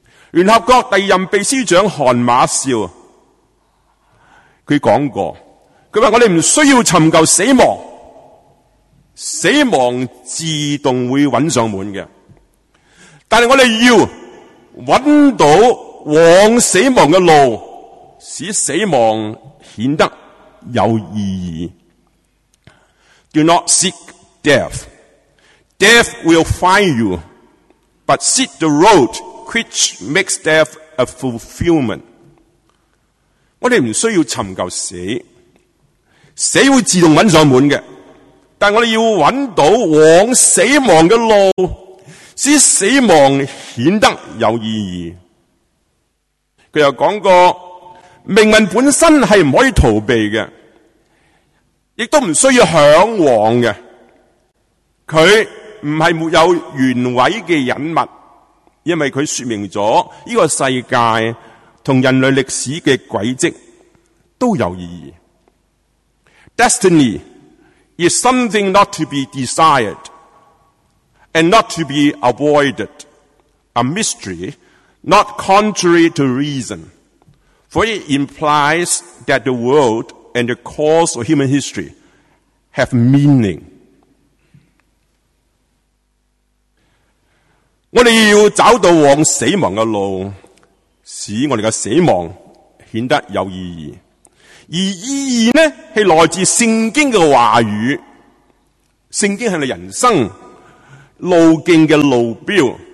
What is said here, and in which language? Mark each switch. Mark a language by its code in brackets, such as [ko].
[zh] 联合国第二任秘书长韩马绍他讲过，他说我们不需要寻求死亡，死亡自动会找上门的，但是我们要找到往死亡的路，使死亡显得有意义。 [en] Do not seek death, death will find you, but seek the road which makes death a fulfillment。 [zh] 我们不需要寻求死，死会自动找上门的，但我们要找到往死亡的路，使死亡显得有意义。他又讲过，命运本身是不可以逃避的，亦都不需要向往的，他不是没有原委的隐密，因为他说明了这个世界和人类历史的轨迹都有意义。 [en] Destiny is something not to be desired and not to be avoided, a mystery not contrary to reason, for it implies that the world and the course of human history have meaning。 [zh] 我们要找到往死亡的路，使我们的死亡显得有意义。而意义呢，是来自圣经的话语，圣经是你人生路径的路标。